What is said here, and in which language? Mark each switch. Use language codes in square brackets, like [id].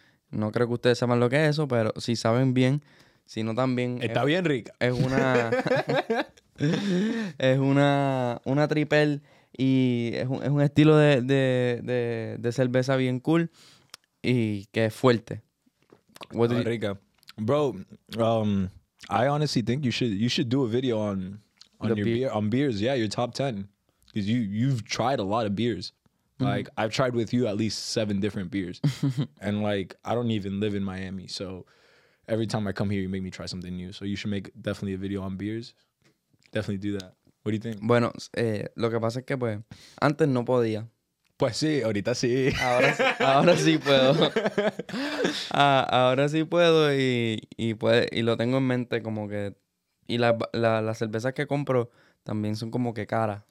[es] No creo que ustedes sepan lo que es eso, pero si saben bien, si no también... Está bien rica. Es una... una triple y es un estilo de cerveza bien cool y que es fuerte. Rica. [en] Bro, I honestly think you should do a video on your beer. On beers. Yeah, your top 10. Because you've tried a lot of beers. Like, I've tried with you at least 7 different beers. And, like, I don't even live in Miami. So, every time I come here, you make me try something new. So, you should make definitely a video on beers. Definitely do that. What do you think? [es] Bueno, lo que pasa es que, pues, antes no podía. Pues sí, ahorita sí. Ahora sí puedo. ahora sí puedo y lo tengo en mente como que... Y las cervezas que compro también son como que caras.